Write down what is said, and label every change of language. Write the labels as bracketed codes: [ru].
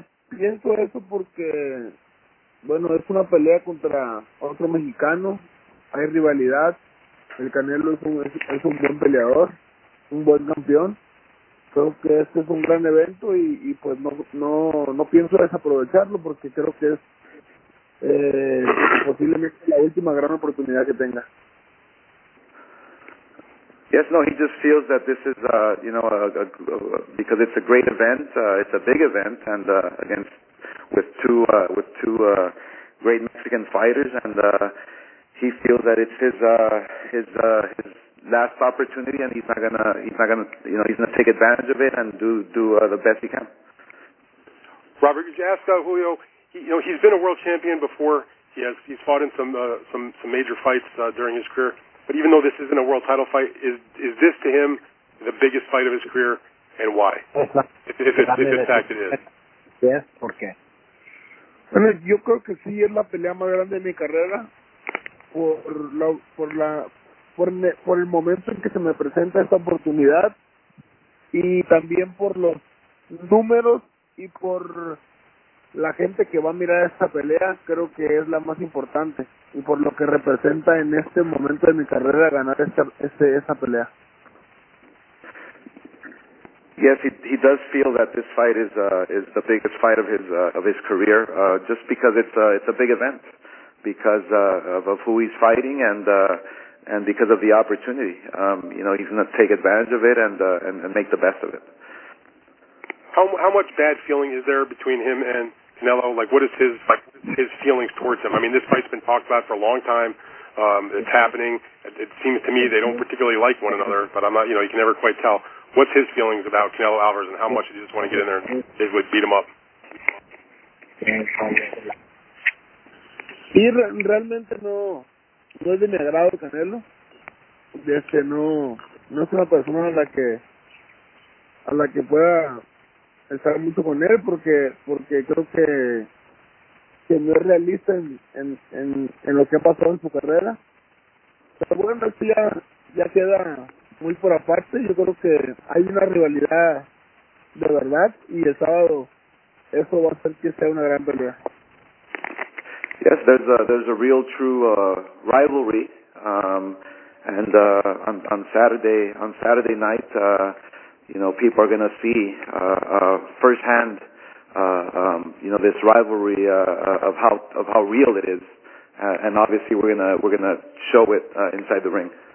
[es] Pienso eso porque, bueno, es una pelea contra otro mexicano, hay rivalidad, el Canelo es un buen peleador, un buen campeón. Creo que este es un gran evento y pues no pienso desaprovecharlo porque creo que es posiblemente la última gran oportunidad que tenga. [en] Yes, no, he just feels that this is, you know, because it's a great event, it's a big event, and against with two great Mexican fighters, and he feels that it's his last opportunity, and he's not gonna, you know, he's gonna take advantage of it and do the best he can. Robert, could you ask Julio? You know, he's been a world champion before. He's fought in some major fights during his career. But even though this isn't a world title fight, is this to him the biggest fight of his career, and why? If in fact it is. Yes, [es] ¿por qué? Bueno, yo creo que sí es la pelea más grande de mi carrera por el momento en que se me presenta esta oportunidad y también por los números y por la gente que va a mirar esta pelea. Creo que es la más importante y por lo que representa en este momento de mi carrera ganar esta pelea. [en] Yes, he does feel that this fight is the biggest fight of his career, just because it's a big event, because of who he's fighting and because of the opportunity. You know, he's going to take advantage of it and make the best of it. How much bad feeling is there between him and Canelo? Like, what is his feelings towards him? I mean, this fight's been talked about for a long time. It's happening. It seems to me they don't particularly like one another, but I'm not, you know, you can never quite tell. What's his feelings about Canelo Alvarez and how much does he just want to get in there and it would beat him up? [es] Sí, realmente no es de mi agrado Canelo. No es una persona a la que pueda estar mucho con él porque creo que no es realista en lo que ha pasado en su carrera. Pero bueno, esto ya queda muy por aparte. Yo creo que hay una rivalidad de verdad y el sábado eso va a hacer que sea una gran pelea. [en] Yes, there's a real true rivalry, and on Saturday night, you know, people are going to see firsthand, you know, this rivalry of how real it is, and obviously we're gonna show it inside the ring.